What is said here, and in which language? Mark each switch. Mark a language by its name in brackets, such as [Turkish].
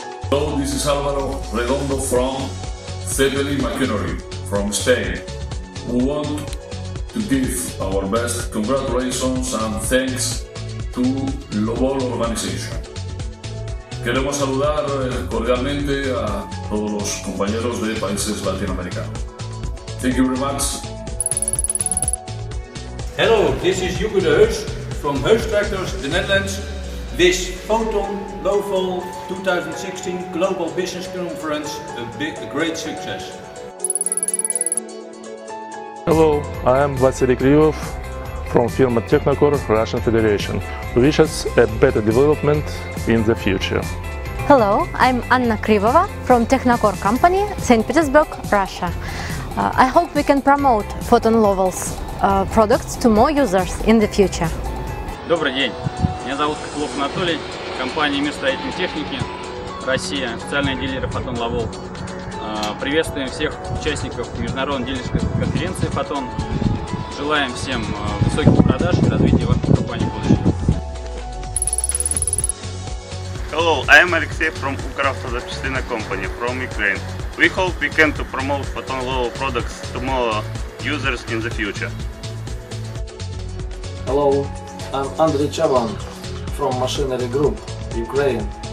[English] Hello, this is Álvaro Redondo from Zeppelin Machinery from Spain. We want to give our best congratulations and thanks to Lovol Organization. [Spanish] Queremos saludar cordialmente a todos los compañeros de países latinoamericanos. [English] Thank you very much. Hello, this is Hugo de Heus from Heus Tractors, the Netherlands. This Fatom Lovol 2016 Global Business Conference, a great success. Hello, I am Vasily Krivov from firma Technokor, Russian Federation. Wish us a better development in the future. Hello, I'm Anna Krivova from Technokor company, St. Petersburg, Russia. I hope we can promote Fatom Lovol's products to more users in the future. [Russian] Добрый день. Меня зовут Клов Анатолий, компания Мир строительной техники, Россия, официальный дилер Fatom Lovol. Приветствуем всех участников международной дилерской конференции Fatom. Желаем всем высоких продаж и развития вашей компании в будущем. [English] Hello, I'm Alexey from Ukrafta Zapchastyna Company from Ukraine. We hope we can to promote Fatom Lovol products to more users in the future. Hello, I'm Andriy Chaban from Machinery Group, Ukraine.